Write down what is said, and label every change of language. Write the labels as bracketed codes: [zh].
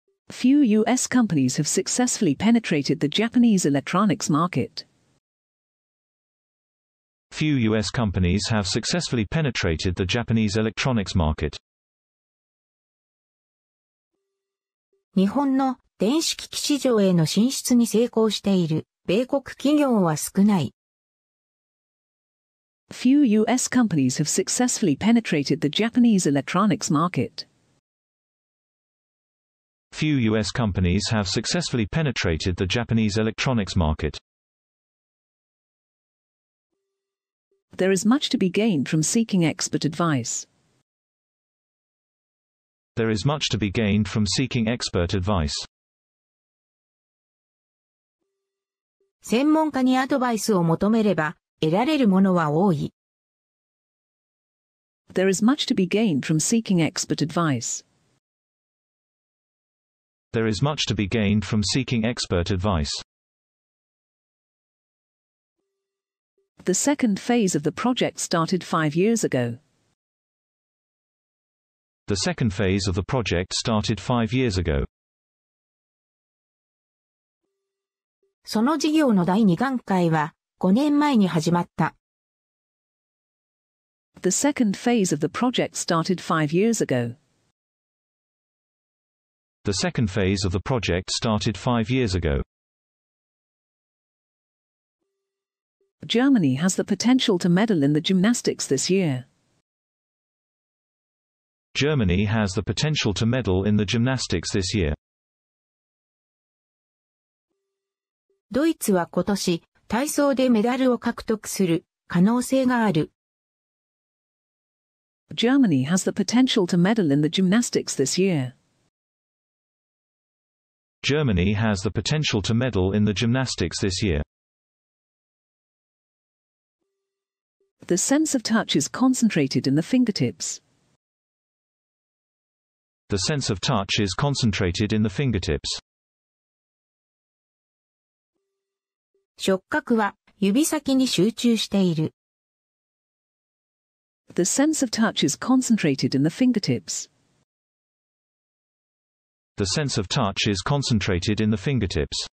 [en] Few US companies have successfully penetrated the Japanese electronics market. Few US companies have successfully penetrated the Japanese electronics market. [ja] 日本の電子機器市場への進出に成功している米国企業は少ない。 [en] Few U.S. companies have successfully penetrated the Japanese electronics market. Few U.S. companies have successfully penetrated the Japanese electronics market. There is much to be gained from seeking expert advice. There is much to be gained from seeking expert advice. [ja] 専門家にアドバイスを求めれば、得られるものは多い。 [en] There is much to be gained from seeking expert advice. There is much to be gained from seeking expert advice. The second phase of the project started 5 years ago. The second phase of the project started 5 years ago. [ja] その事業の第2段階は5年前に始まった。 [en] The second phase of the project started 5 years ago. The second phase of the project started 5 years ago. Germany has the potential to medal in the gymnastics this year. Germany has the potential to medal in the gymnastics this year. [ja] ドイツは今年、体操でメダルを獲得する可能性がある。 [en] Germany has the potential to medal in the gymnastics this year. Germany has the potential to medal in the gymnastics this year. The sense of touch is concentrated in the fingertips. The sense of touch is concentrated in the fingertips. [ja] 触覚は指先に集中している。 [en] The sense of touch is concentrated in the fingertips. The sense of touch is concentrated in the fingertips.